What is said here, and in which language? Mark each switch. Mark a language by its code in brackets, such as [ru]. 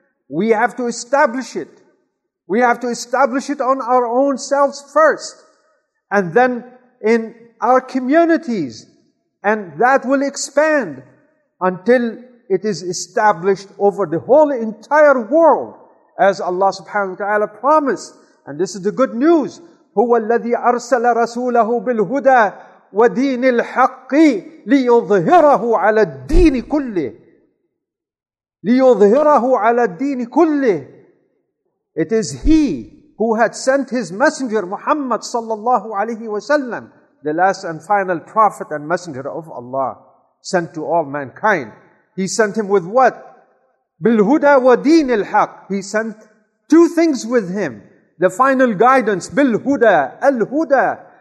[en] We have to establish it. We have to establish it on our own selves first. And then in our communities. And that will expand until it is established over the whole entire world. As Allah subhanahu wa ta'ala promised, and this is the good news, [ar] هُوَ الَّذِي أَرْسَلَ رَسُولَهُ بِالْهُدَى وَدِينِ الْحَقِّ لِيُظْهِرَهُ عَلَى الدِّينِ كُلِّهِ لِيُظْهِرَهُ عَلَى الدِّينِ كُلِّهِ. [en] It is He who had sent His Messenger Muhammad sallallahu alayhi wa sallam, the last and final prophet and messenger of Allah, sent to all mankind. He sent him with what? [ar] بِالْهُدَى وَدِينِ الْحَقِّ. [en] He sent two things with him. The final guidance, [ar] بِالْهُدَى, الْهُدَى.